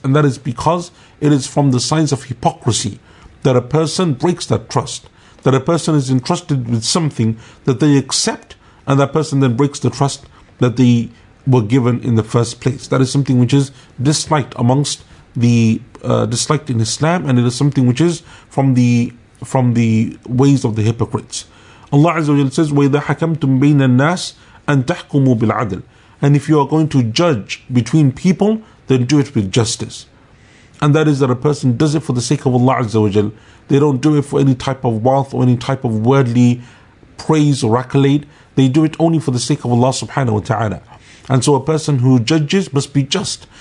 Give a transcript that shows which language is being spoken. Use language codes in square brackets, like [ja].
[en] And that is because it is from the signs of hypocrisy that a person breaks that trust, that a person is entrusted with something that they accept, and that person then breaks the trust that they were given in the first place. That is something which is disliked amongst the disliked in Islam, and it is something which is from the ways of the hypocrites. Allah Azza wa Jalla says, [ar] وَإِذَا حَكَمْتُمْ بَيْنَ النَّاسِ أَن تَحْكُمُوا بِالْعَدْلِ. [en] And if you are going to judge between people, then do it with justice. And that is that a person does it for the sake of Allah Azza wa Jalla. They don't do it for any type of wealth or any type of worldly praise or accolade. They do it only for the sake of Allah subhanahu wa ta'ala. And so a person who judges must be just.